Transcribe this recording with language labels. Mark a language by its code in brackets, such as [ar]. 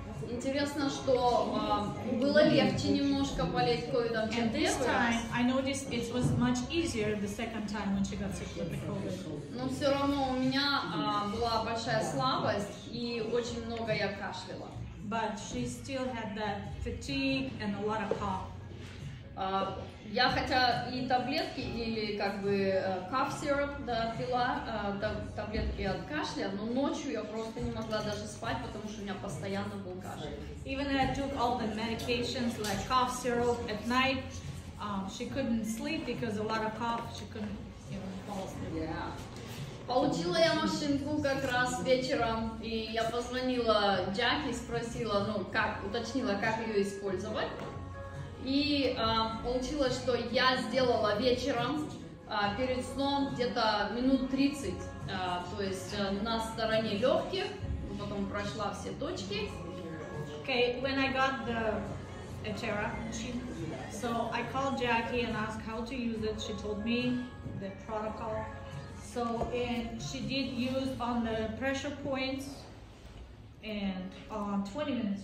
[ru] Интересно, что было легче немножко болеть ковидом, чем первый раз. [en] And this time I noticed it was much easier the second time when she got sick with the COVID. [ru] Но все равно у меня была большая слабость и очень много я кашляла. [en] But she still had that fatigue and a lot of cough. [ru] Я хотя и таблетки или как бы [en] cough syrup [ru] да, пила, таблетки от кашля, но ночью я просто не могла даже спать, потому что у меня постоянно был кашель. [en] Even though I took all the medications like cough syrup at night, she couldn't sleep because a lot of cough, she couldn't even fall asleep. Yeah. [ru] Получила я машинку как раз вечером, и я позвонила Джаки, спросила, ну как, уточнила, как ее использовать. И получилось, что я сделала вечером перед сном где-то минут 30, то есть на стороне легких, потом прошла все точки. [en] Okay, when I got the Atera machine, so I called Jackie and asked how to use it. She told me the protocol. So and she did use on the pressure points and on 20 minutes.